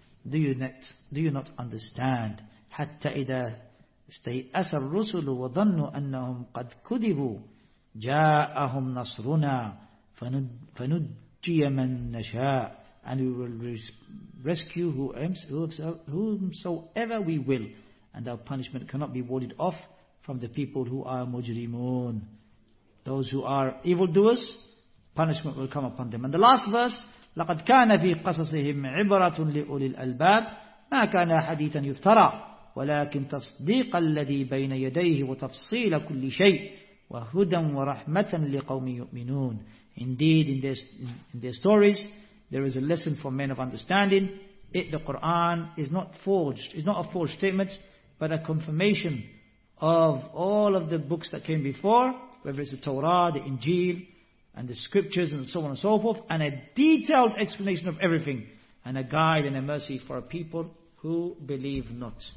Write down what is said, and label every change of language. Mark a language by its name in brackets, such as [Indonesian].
[English] Do you not understand? [Arabic] حَتَّى إِذَا اسْتَيْأَسَ الرُّسُلُ وَظَنُّوا أَنَّهُمْ قَدْ كُذِبُوا جَاءَهُمْ نَصْرُنَا فَنُجِّيَ مَنْ نَشَاءُ, [English] and we will rescue whomsoever we will, and our punishment cannot be warded off from the people who are mujrimun. Those who are evildoers, punishment will come upon them. And the last verse, [Arabic] لَقَدْ كَانَ فِي قَصَصِهِمْ عِبْرَةٌ لِأُولِي الْأَلْبَابِ مَا كَانَ حَدِيثًا يُفْتَرَى وَلَكِنْ تَصْدِيقَ الَّذِي بَيْنَ يَدَيْهِ وَتَفْصِيلَ كُلِّ شَيْءٍ وَهُدًى وَرَحْمَةً لِقَوْمٍ يُؤْمِنُونَ. [English] Indeed, in their stories, there is a lesson for men of understanding. The Quran is not forged, it's not a forged statement, but a confirmation of all of the books that came before, whether it's the Torah, the Injil, and the scriptures, and so on and so forth, and a detailed explanation of everything, and a guide and a mercy for a people who believe not.